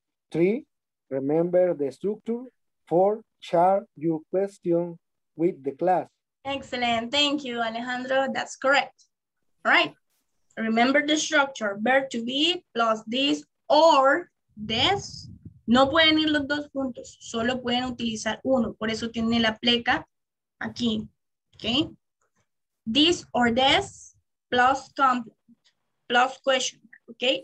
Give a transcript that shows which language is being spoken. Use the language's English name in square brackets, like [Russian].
[English] Three, remember the structure. Four, share your question with the class. Excellent. Thank you, Alejandro. That's correct. All right. Remember the structure, verb to be plus this or this. [Spanish] No pueden ir los dos juntos, solo pueden utilizar uno. Por eso tiene la pleca aquí, okay? [English] This or this plus complement, plus question, okay?